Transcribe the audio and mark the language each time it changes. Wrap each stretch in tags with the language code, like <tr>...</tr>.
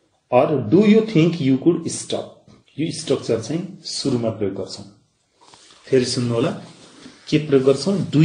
<en>Or do you think you could stop?</en> <ne>यो structure चाहिँ सुरुमा प्रयोग गर्छौं. फेरि सुन्नु होला, के प्रयोग गर्छौं?</ne>